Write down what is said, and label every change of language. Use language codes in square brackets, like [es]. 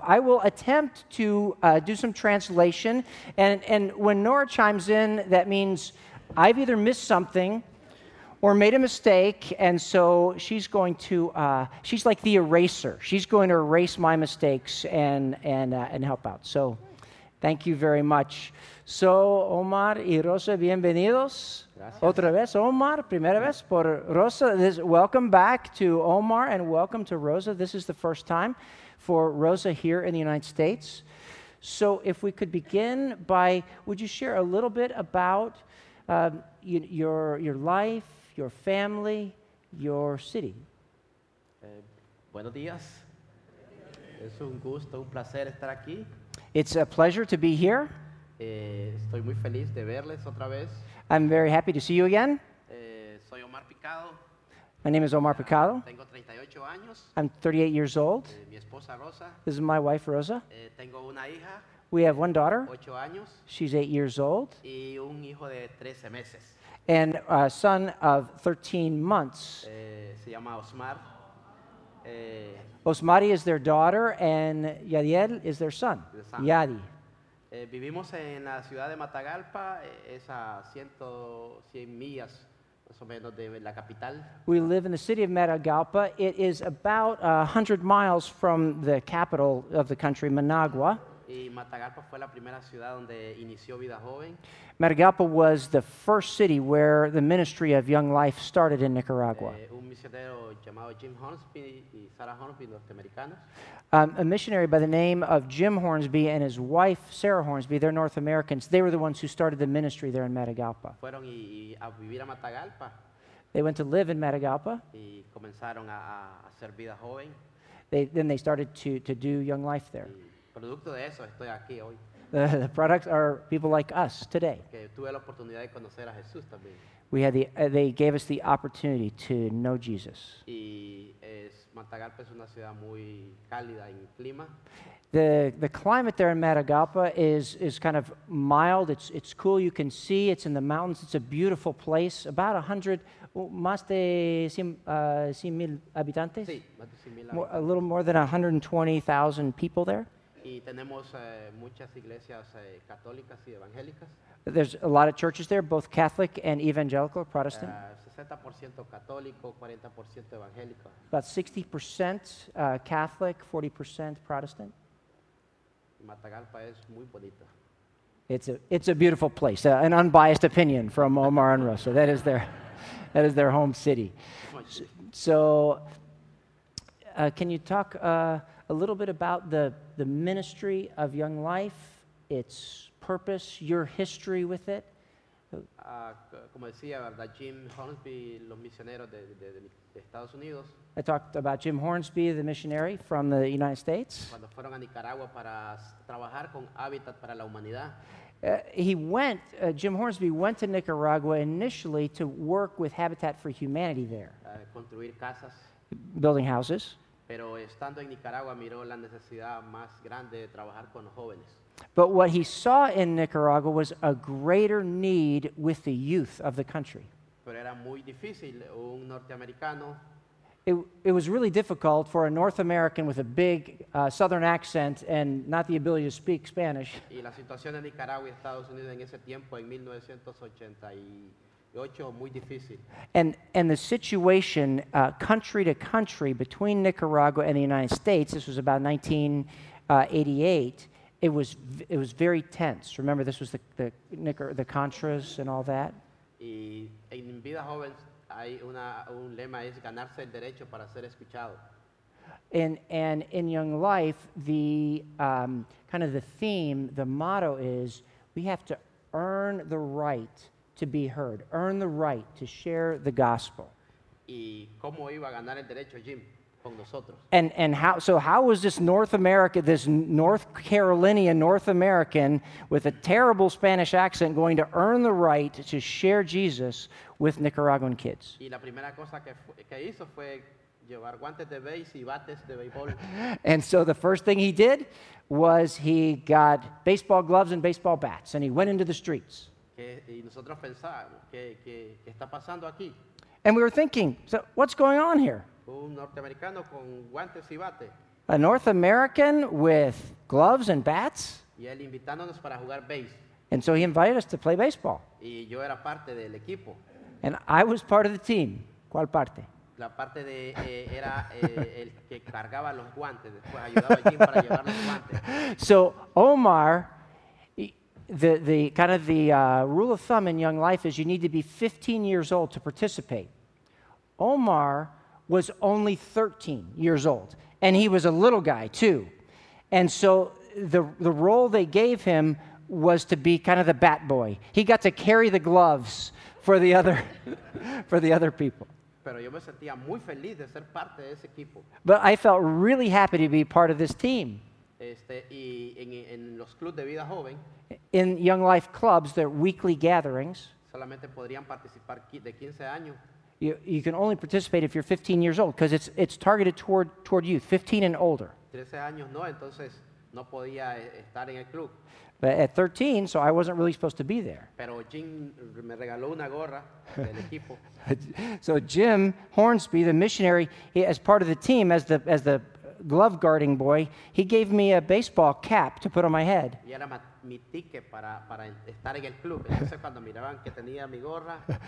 [en] I will attempt to do some translation, and when Nora chimes in, that means I've either missed something or made a mistake, and so she's going to, she's like the eraser. She's going to erase my mistakes and help out. So thank you very much. [es] So, Omar y Rosa, bienvenidos. Gracias. Otra vez, Omar, primera vez por Rosa. [en] This, welcome back to Omar and welcome to Rosa. This is the first time for Rosa here in the United States. So if we could begin by, would you share a little bit about your life, your family, your city? [es] Buenos días. Es un gusto, un placer estar aquí. [en] It's a pleasure to be here. [es] Estoy muy feliz de verles otra vez. [en] I'm very happy to see you again. [es] Soy Omar Picado. [en] My name is Omar Picado. [es] Tengo 38 años. [en] I'm 38 years old. [es] Mi esposa Rosa. [en] This is my wife, Rosa. [es] Tengo una hija. [en] We have one daughter. [es] 8 años. [en] She's 8 years old. [es] Y un hijo de 13 meses. [en] And a son of 13 months. [es] Se llama Osmar. [en] Osmari is their daughter, and Yadiel is their son, Yadi. [es] Vivimos en la ciudad de Matagalpa, es a 100 millas, más o menos, de la capital. [en] We live in the city of Matagalpa. It is about 100 miles from the capital of the country, Managua. [es] Y Matagalpa fue la primera ciudad donde inició Vida Joven. [en] Matagalpa was the first city where the ministry of Young Life started in Nicaragua. [es] Un misionero llamado Jim Hornsby y Sarah Hornsby, norteamericanos. [en] A missionary by the name of Jim Hornsby and his wife, Sarah Hornsby, they're North Americans. They were the ones who started the ministry there in Matagalpa. [es] Fueron y a vivir a Matagalpa. [en] They went to live in Matagalpa. [es] Y comenzaron a hacer Vida Joven. [en] Then they started to do Young Life there. [es] Y producto de eso, estoy aquí hoy. [en] The products are people like us today. [es] Okay, tuve la oportunidad de conocer a Jesús también. [en] We had they gave us the opportunity to know Jesus. [es] Y es, Matagalpa es una ciudad muy cálida en clima. [en] The climate there in Matagalpa is kind of mild. It's cool. You can see it's in the mountains. It's a beautiful place. About 100, [es] más de 100 mil habitantes. Sí, más de 100 mil habitantes. [en] A little more than 120,000 people there. [es] Y tenemos muchas iglesias católicas y evangélicas. [en] There's a lot of churches there, both Catholic and evangelical, Protestant. [es] 60% católico, 40% evangélico. [en] About 60% Catholic, 40% Protestant. [es] Matagalpa es muy bonito. [en] It's a beautiful place. An unbiased opinion from Omar and Rosa. That is their home city. So can you talk a little bit about the ministry of Young Life, its purpose, your history with it? [es] Como decía, verdad, Jim Hornsby, los misioneros de de Estados Unidos. [en] I talked about Jim Hornsby, the missionary from the United States. [es] Cuando fueron a Nicaragua para trabajar con Habitat para la Humanidad. [en] Jim Hornsby went to Nicaragua initially to work with Habitat for Humanity there. [es] Construir casas. [en] Building houses. [es] Pero estando en Nicaragua miró la necesidad más grande de trabajar con los jóvenes. [en] But what he saw in Nicaragua was a greater need with the youth of the country. [es] Pero era muy difícil un norteamericano. [en] It was really difficult for a North American with a big southern accent and not the ability to speak Spanish. [es] Y la situación en Nicaragua y Estados Unidos en ese tiempo en 1988 muy difícil. [en] And the situation country to country between Nicaragua and the United States, this was about 1988. It was very tense. Remember, this was the Contras and all that. [es] Y en Vida Joven hay un lema es ganarse el derecho para ser escuchado. [en] And in Young Life, the kind of the theme, the motto is we have to earn the right to be heard, earn the right to share the gospel. [es] Y cómo iba a ganar el derecho, Jim. [en] And how was this North America, this North Carolinian North American with a terrible Spanish accent going to earn the right to share Jesus with Nicaraguan kids? [es] Y la primera cosa que hizo fue llevar guantes de base y bates de béisbol. [en] And so the first thing he did was he got baseball gloves and baseball bats and he went into the streets. [es] Y nosotros pensamos, ¿qué está pasando aquí? [en] And we were thinking, so what's going on here? [es] Un norteamericano con guantes y bate. [en] A North American with gloves and bats. [es] Y él invitándonos para jugar base. [en] And so he invited us to play baseball. [es] Y yo era parte del equipo. [en] And I was part of the team. [es] ¿Cuál parte? La parte de era el que cargaba los guantes. Después ayudaba a Jim para llevar los guantes. [en] So Omar, the kind of the rule of thumb in Young Life is you need to be 15 years old to participate. Omar was only 13 years old, and he was a little guy too, and so the role they gave him was to be kind of the bat boy. He got to carry the gloves for the other for the other people. [es] Pero yo me sentía muy feliz de ser parte de ese equipo. [en] But I felt really happy to be part of this team. [es] Y en los clubs de vida joven, [en] in Young Life clubs, their weekly gatherings. [es] Solamente podrían participar de 15 años. [en] You can only participate if you're 15 years old, because it's targeted toward youth, 15 and older. [es] 13 años no, entonces no podía estar en el club. [en] But at 13, so I wasn't really supposed to be there. [es] Pero Jim me regaló una gorra del equipo. [en] So Jim Hornsby, the missionary, he, as part of the team, as the glove guarding boy, he gave me a baseball cap to put on my head. [es] Y era mi ticket para estar en el club. Entonces cuando miraban que tenía mi gorra.